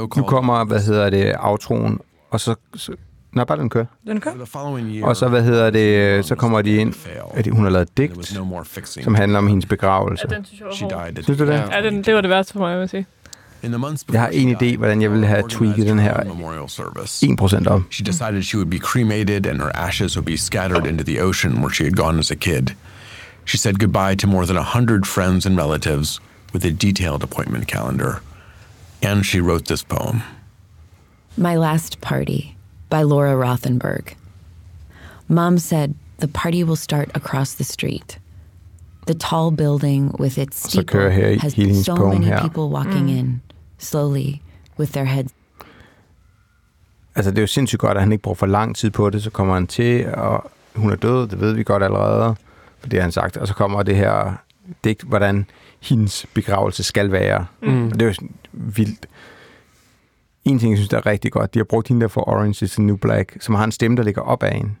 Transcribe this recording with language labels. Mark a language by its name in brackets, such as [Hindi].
[Danish] nu kommer, hvad hedder det, outroen, og så Nej, bare den kører. Den kører. Og så, hvad hedder det, så kommer de ind, at hun har lavet et digt, som handler om hendes begravelse. Ja, den synes jeg var hård. Synes du det? Ja, det var det værste for mig, jeg vil sige. Jeg har en idé, hvordan jeg ville have tweaked den her 1% om. [English] She decided she would be cremated and her ashes would be scattered into the ocean where she had gone as a kid. She said goodbye to more than 100 friends and relatives with a detailed appointment calendar. And she wrote this poem. My Last Party by Laura Rothenberg. Mom said the party will start across the street. The tall building with its steeple has so many people walking in, slowly, with their heads. [Danish] Altså, det er jo sindssygt godt, at han ikke bruger for lang tid på det, så kommer han til, og hun er død, det ved vi godt allerede, for det har han sagt. Og så kommer det her digt, hvordan hendes begravelse skal være. Mm. Og det er jo vildt. En ting, jeg synes, der er rigtig godt, de har brugt hende der for Orange is the New Black, som har en stemme, der ligger op ad hende.